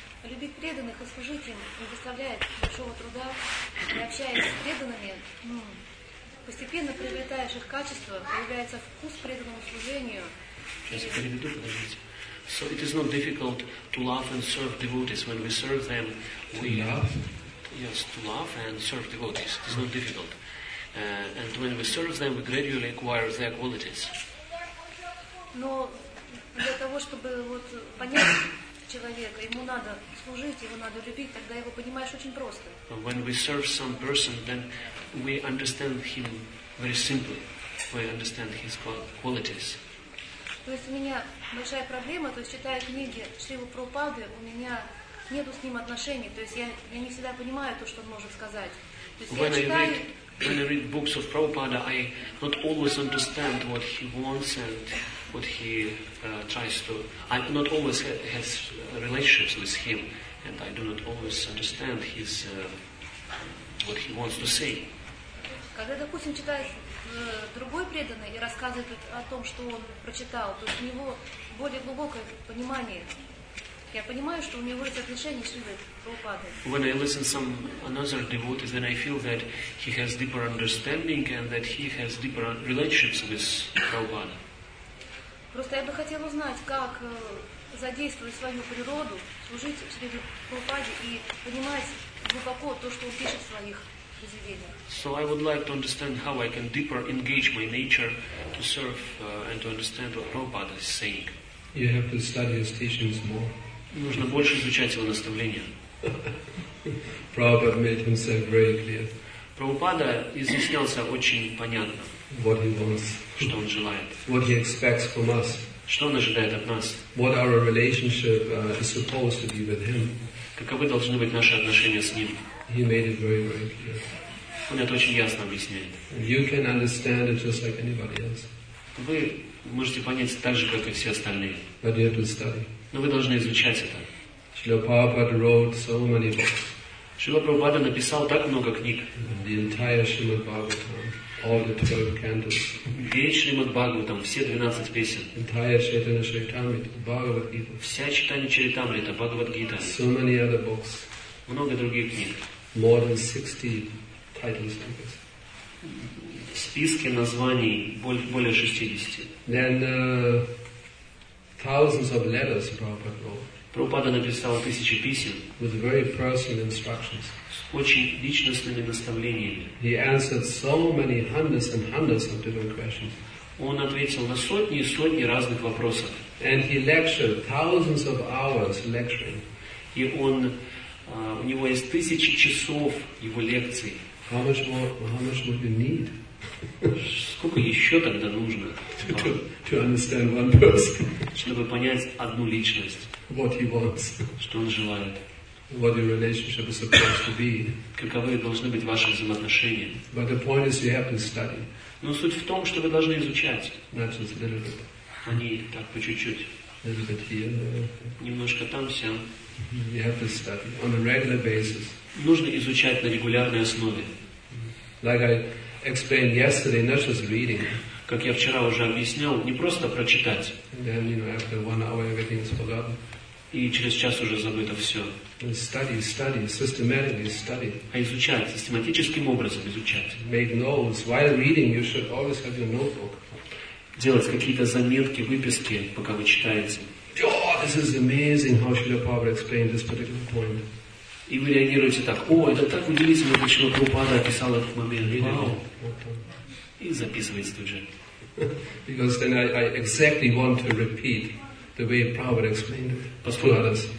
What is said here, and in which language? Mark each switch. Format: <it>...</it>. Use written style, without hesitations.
<ru>Любить преданных и служить им не доставляет большого труда, и общаясь с преданными, постепенно приобретаешь их качество, появляется вкус к преданному служению. Сейчас я переведу, подождите.</ru> <en>So it is not difficult to love and serve devotees when we serve them. We love? Yes, to love and serve devotees. It is not difficult. And when we serve them, we gradually acquire their qualities.</en> <ru>Но для того, чтобы понять человека, ему надо служить, его надо любить, тогда его понимаешь очень просто.</ru> <en>When we serve some person, then we understand him very simply. We understand his qualities.</en> <ru>То есть у меня большая проблема, то есть читая книги Шрилы Прабхупады, у меня нету с ним отношений, то есть я не всегда понимаю то, что он может сказать.</ru> <en>When I read books of Prabhupada, I not always understand what he wants and what he tries to. I not always has relationships with him, and I do not always understand his what he wants to say.</en> <ru>Когда, допустим, читает другой преданный и рассказывает о том, что он прочитал, то есть у него более глубокое понимание. Я понимаю, что у него есть отношение с Прабхупадой.</ru> <en>When I listen to some another devotee, then I feel that he has deeper understanding and that he has deeper relationships with Prabhupada.</en> <ru>Просто я бы хотела узнать, как задействовать свою природу, служить среди Прабхупады и понимать глубоко то, что он пишет в своих произведениях.</ru> <en>So I would like to understand how I can deeper engage my nature to serve and to understand what Prabhupada is saying. You have to study his teachings more.</en> <ru>Нужно больше изучать его наставления.</ru> <en>Prabhupada made himself very clear.</en> <ru>Прабхупада изъяснялся очень понятно.</ru> <en>What he wants.</en> <ru>Что он желает.</ru> <en>What he expects from us.</en> <ru>Что он ожидает от нас.</ru> <en>What our relationship is supposed to be with him.</en> <ru>Каковы должны быть наши отношения с ним.</ru> <en>He made it very, very clear.</en> <ru>Он это очень ясно объясняет.</ru> <en>And you can understand it just like anybody else.</en> <ru>Вы можете понять так же, как и все остальные.</ru> <en>But you have to study.</en> <ru>Но вы должны изучать это.</ru> <en>Шрила Прабхупада wrote so many books.</en> <ru>Шрила Прабхупада написал так много книг.</ru> <en>The entire Shrimad Bhagavatam, all the 12 cantos.</en> <ru>Весь Шримад Бхагаватам, все 12 песен.</ru> <en>Entire Chaitanya Charitamrita, Bhagavad Gita.</en> <ru>Вся Чайтанья Чаритамрита, Бхагавад Гита.</ru> <en>So many other books.</en> <ru>Много других книг.</ru> <en>More than 60 titles, I guess.</en> <ru>В списке названий более 60.</ru> <en>Then, thousands of letters Prabhupada wrote.</en> <ru>Прабхупада написал тысячи писем.</ru> <en>With very personal instructions.</en> <ru>С очень личностными наставлениями.</ru> <en>He answered so many hundreds and hundreds of different questions.</en> <ru>Он ответил на сотни и сотни разных вопросов.</ru> <en>And he lectured thousands of hours lecturing.</en> <ru>И он, у него есть тысячи часов его лекций.</ru> <en>How much more you need?</en> <ru>Сколько еще тогда нужно,</ru> <en>to understand one person.</en> <ru>Чтобы понять одну личность?</ru> <en>What he wants.</en> <ru>Что он желает?</ru> <en>What your relationship is supposed to be.</en> <ru>Каковы должны быть ваши взаимоотношения?</ru> <en>But the point is you have to study.</en> <ru>Но суть в том, что вы должны изучать.</ru> <en>Not just a little bit.</en> <ru>А не так по чуть-чуть.</ru> <en>Little bit here,</en> <ru>немножко там-сям.</ru> <en>You have to study on a regular basis.</en> <ru>Нужно изучать на регулярной основе.</ru> <en>Like I explained yesterday, not just reading.</en> <ru>Как я вчера уже объяснял, не просто прочитать.</ru> <en>Then, you know, after one hour, everything is forgotten.</en> <ru>И через час уже забыто все.</ru> <en>Study, systematically study.</en> <ru>А изучать, систематическим образом изучать.</ru> <en>Make notes. While reading, you should always have your notebook.</en> <ru>Делать какие-то заметки, выписки, пока вы читаете.</ru> <en>Oh, this is amazing how Srila Prabhupada explained this particular point.</en> <ru>И вы реагируете так: о, это так удивительно, почему Прабхупада описал этот момент.</ru> <en>Wow.</en> <ru>И записывается тут же.</ru> <en>Because then I exactly want to repeat the way Prabhupada explained it.</en>